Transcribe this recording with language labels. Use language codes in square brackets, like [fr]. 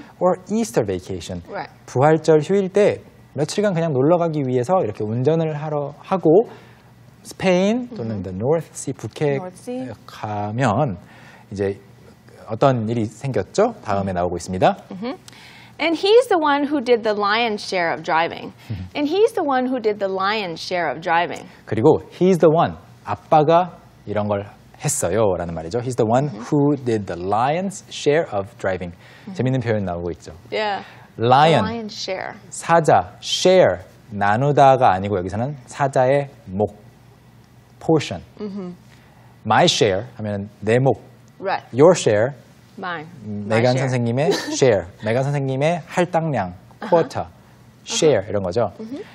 [en] Or Easter vacation, right. [ko] 부활절 휴일 때 며칠간 그냥 놀러 가기 위해서 이렇게 운전을 하고 스페인 또는 the North Sea 북해 가면 이제 어떤 일이 생겼죠? 다음에 나오고 있습니다. [en] And he's the one who did the lion's share of driving. And he's the one who did the lion's share of driving. [ko] 그리고 [en] he's the one, [ko] 아빠가 이런 걸 했어요라는 말이죠. [en] He's the one who did the lion's share of driving. [ko] 재밌는 표현 나오고 있죠. [en] Yeah. Lion, the lion's share. [ko] 사자, share, 나누다가 아니고 여기서는 사자의 목. portion. Mm-hmm. [en] My share [ko] 하면 내 몫. [en] Right. Your share. Mine. [ko] 메간 share. 선생님의 share. 메간 선생님의 할당량. Quarter. Uh-huh. Share uh-huh. 이런 거죠. Uh-huh.